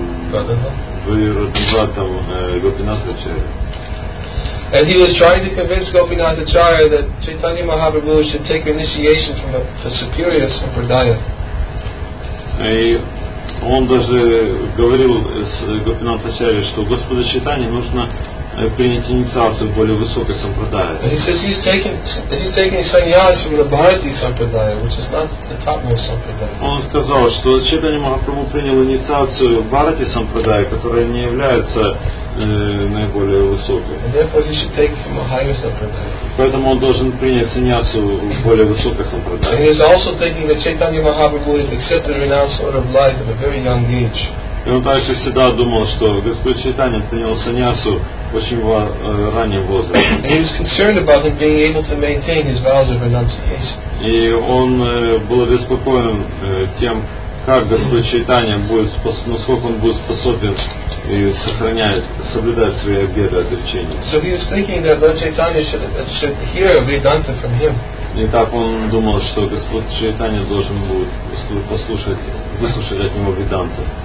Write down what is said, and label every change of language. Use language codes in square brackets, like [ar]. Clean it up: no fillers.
[en] And he was trying to convince Gopinathacharya that Chaitanya Mahaprabhu should take initiation from a superior sampradaya. [ru] И он даже говорил с Гопинатхачарьей, что Господа Чайтанье нужно принять инициацию в более высокой сампрадае. [en] And he says he's taking sannyas from the Bharati Sampradaya, which is not the topmost sampradaya. [ru] Он сказал, что Чайтанья Махапрабху принял инициацию в Бхарати Сампрадае, которая не является наиболее высокой. [en] And therefore he should take from a higher sampradaya. [ru] Поэтому он должен принять саньясу в более высокой сампрадае. [en] And he is also thinking that Чайтанья Махапрабху has accepted the renounced order of life at a very young age. [ru] И он также всегда думал, что Господь Чайтанья принял саньясу в очень раннем возрасте. И он был обеспокоен тем, как Господь Чайтанья будет, насколько он будет способен и сохранять, соблюдать свои обеты отречения. [en] So he was thinking that Lord Chaitanya should hear Vedanta from him. [ru] И так он думал, что Господь Чайтанья должен будет выслушать от него Веданту.